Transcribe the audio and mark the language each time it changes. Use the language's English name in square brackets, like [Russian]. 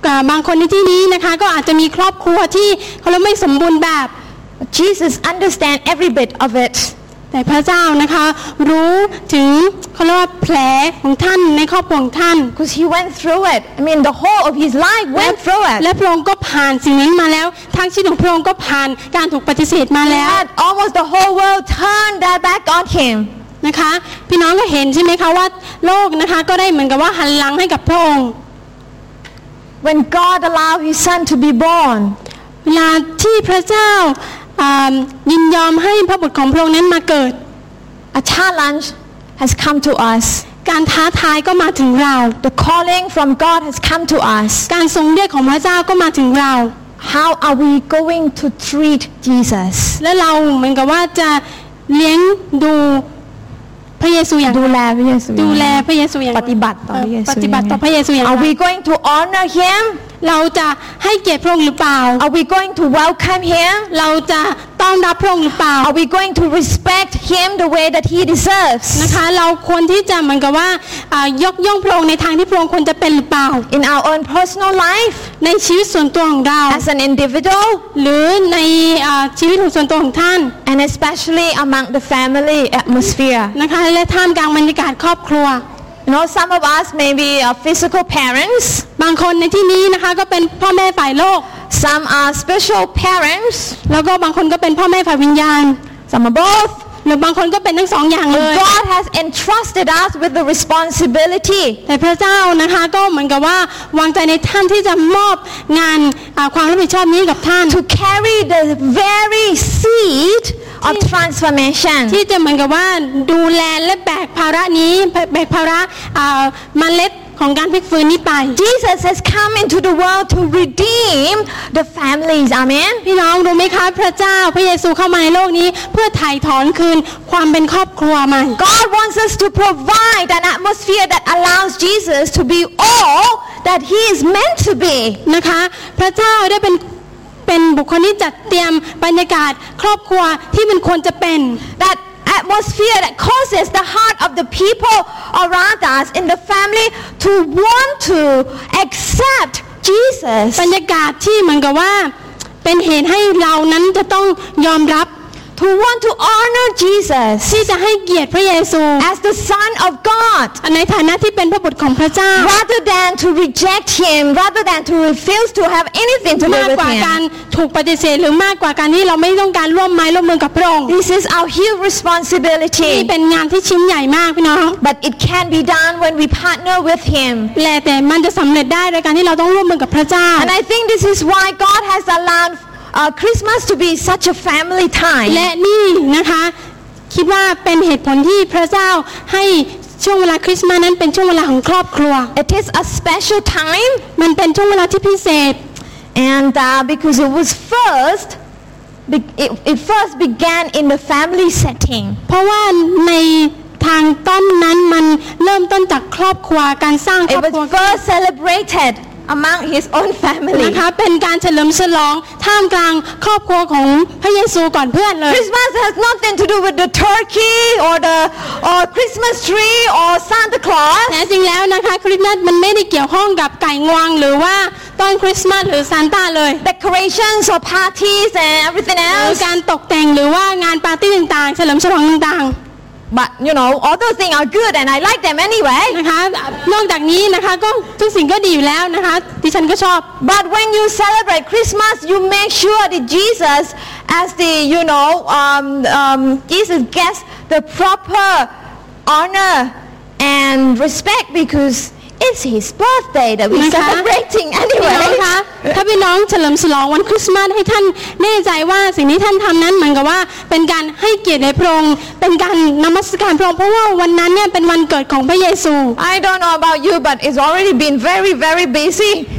[Thai] บางคนในที่นี้นะคะก็อาจจะมีครอบครัวที่เขาเรียกไม่สมบูรณ์แบบ [English] Jesus understand every bit of it [Thai] แต่พระเจ้านะคะรู้ถึงเขาเรียกว่าแผลของท่านในครอบครัวของท่าน [English] Because he went through it I mean the whole of his life went through it [Thai] และพระองค์ก็ผ่านสิ่งนี้มาแล้วทั้งชีวิตของพระองค์ก็ผ่านการถูกปฏิเสธมาแล้ว [English] Almost the whole world turned their back on him [Thai] นะคะพี่น้องก็เห็นใช่ไหมคะว่าโลกนะคะก็ได้เหมือนกับว่าหันหลังให้กับพระองค์ [English] When God allowed His Son to be born [Thai] เวลาที่พระเจ้ายินยอมให้พระบุตรของพระองค์นั้นมาเกิด [English] A challenge has come to us [Thai] การท้าทายก็มาถึงเรา [English] The calling from God has come to us [Thai] การทรงเรียกของพระเจ้าก็มาถึงเรา [English] How are we going to treat Jesus [Thai] และเราเหมือนกับว่าจะเลี้ยงดูพระเยซูอย่าง ดูแลพระเยซูดูแลพระเยซูอย่าง ปฏิบัติต่อพระเยซู ปฏิบัติต่อพระเยซูอย่าง [English] Are we going to honor him [Thai] เราจะให้เกียรติพระองค์หรือเปล่า [English] Are we going to welcome him [Thai] เราจะต้อนรับพระองค์หรือเปล่า [English] Are we going to respect him the way that he deserves [Thai] นะคะเราควรที่จะเหมือนกับว่ายกย่องพระองค์ในทางที่พระองค์ควรจะเป็นหรือเปล่า [English] In our own personal life [Thai] ในชีวิตส่วนตัวของเรา [English] As an individual [Thai] หรือในชีวิตส่วนตัวของท่าน [English] And especially among the family atmosphere [Thai] นะคะและท่ามกลางบรรยากาศครอบครัว [English] You know, some of us may be physical parents. [Thai] บางคนในที่นี้นะคะก็เป็นพ่อแม่ฝ่ายโลก [English] Some are spiritual parents. [Thai] แล้วก็บางคนก็เป็นพ่อแม่ฝ่ายวิญญาณ [English] Some are both. [Thai] หรือบางคนก็เป็นทั้งสองอย่างเลย [English] God has entrusted us with the responsibility. [Thai] แต่พระเจ้านะคะก็เหมือนกับว่าวางใจในท่านที่จะมอบงานความรับผิดชอบนี้กับท่าน [English] To carry the very seed. Of transformation [Thai] ที่จะเหมือนกับว่าดูแลและแบกภาระนี้แบกภาระเมล็ด ของการพลิกฟื้นนี้ไป [English] Jesus has come into the world to redeem the families amen [Thai] พี่น้องรู้ไหมคะพระเจ้าพระเยซูเข้ามาในโลกนี้เพื่อไถ่ถอนคืนความเป็นครอบครัวมัน [English] God wants us to provide an atmosphere that allows Jesus to be all that he is meant to be [Thai] นะคะพระเจ้าได้เป็นบุคคลที่จัดเตรียมบรรยากาศครอบครัวที่มันควรจะเป็น [English] thatatmosphere that causes the heart of the people around us in the family to want to accept Jesus [Thai] บรรยากาศที่เหมือนกับว่าเป็นเหตุให้เรานั้นจะต้องยอมรับ [English] to want to honor Jesus [Thai] ที่จะให้เกียรติพระเยซู [English] as the son of God [Thai] ในฐานะที่เป็นพระบุตรของพระเจ้า [English] rather than to reject him rather than to refuse to have anything to do with him [Thai] มากกว่าการถูกปฏิเสธหรือมากกว่าการที่เราไม่ต้องการร่วมไม้ร่วมมือกับพระองค์ [English] This is our huge responsibility [Thai] นี่เป็นงานที่ชิ้นใหญ่มากพี่น้อง [English] But it can be done when we partner with him [Thai] แต่มันจะสำเร็จได้ในการที่เราต้องร่วมมือกับพระเจ้า [English] And I think this is why God has allowed Christmas to be such a family time [Thai] และนี่นะคะคิดว่าเป็นเหตุผลที่พระเจ้าให้ช่วงเวลาคริสต์มาสนั้นเป็นช่วงเวลาของครอบครัว [English] It is a special time [Thai] มันเป็นช่วงเวลาที่พิเศษ [English] And because it was first, it first began in the family setting. [Thai] เพราะว่าในทางต้นนั้นมันเริ่มต้นจากครอบครัวการสร้างครอบครั ว [English] It was first celebrated among his own family. [Thai] นะคะเป็นการเฉลิมฉลองท่ามกลางครอบครัวของพระเยซูก่อนเพื่อนเลย [English] Christmas has nothing to do with the turkey or Christmas tree or Santa Claus. [Thai] แท้จริงแล้วนะคะคริสต์มาสมันไม่ได้เกี่ยวข้องกับไก่งวงหรือว่าตอนคริสต์มาสหรือซานต้าเลย [English] decorations or parties and everything else [Thai] การตกแต่งหรือว่างานปาร์ตี้ต่างๆเฉลิมฉลองต่าง [English] ๆ but you know all those things are good and I like them anyway [Thai] นะคะนอกจากนี้นะคะก็ทุกสิ่งก็ดีอยู่แล้วนะคะดิฉันก็ชอบ [English] but when you celebrate Christmas you make sure that Jesus as the you know Jesus gets the proper honor and respect becauseIt's his birthday that we're celebrating anyway. [Thai] ถ้าพี่น้องเฉลิมฉลองวันคริสต์มาสให้ท่านแน่ใจว่าสิ่งที่ท่านทำนั้นเหมือนกับว่าเป็นการให้เกียรติในพระองค์เป็นการนมัสการพระองค์เพราะว่าวันนั้นเนี่ยเป็นวันเกิดของพระเยซู [English] I don't know about you but it's already been very very busy.